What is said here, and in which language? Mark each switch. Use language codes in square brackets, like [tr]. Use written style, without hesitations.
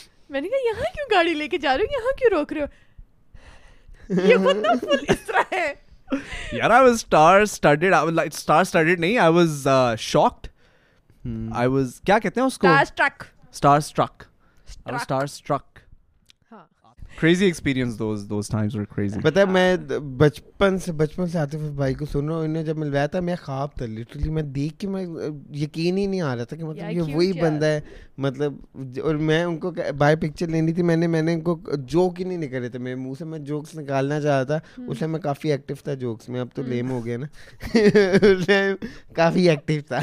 [hi] मैंने कहा यहाँ क्यों गाड़ी लेके जा रही हूँ, यहाँ क्यों रोक रहे हो, ये बंदा फुल इस तरह है। यार [en] I was star studded, I was like star studded [hi] नहीं, [en] I was shocked, I was [hi] क्या कहते हैं उसको, [en] Star struck. I was star struck. Crazy experience, those times were crazy. [hi] पता है मैं बचपन से आतिफ भाई को सुन रहा हूँ, इन्हें जब मिलवाया था मैं ख्वाब था लिटरली, मैं देख के मैं यकीन ही नहीं आ रहा था कि मतलब ये वही बंदा है। मतलब और मैं उनको बाय पिक्चर लेनी थी, मैंने उनको जोक ही नहीं निकले थे मेरे मुँह से, मैं जोक्स निकालना चाह रहा था उस समय, मैं काफ़ी एक्टिव था जोक्स में, अब तो लेम हो गया ना उस टाइम काफ़ी एक्टिव था।